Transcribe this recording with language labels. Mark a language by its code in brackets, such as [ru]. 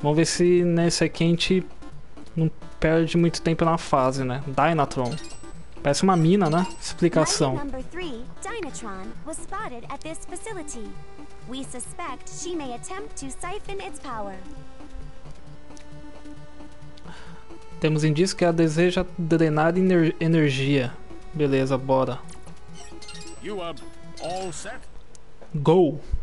[pt] Vamos ver se nesse aqui a gente não perde muito tempo na fase, né? Dynatron. Parece uma mina, né? Explicação. [en] Dynatron was spotted at this facility. We suspect she may attempt to siphon its power. [pt] Temos indícios que ela deseja drenar energia. Beleza, bora. [en] You are all set? Go!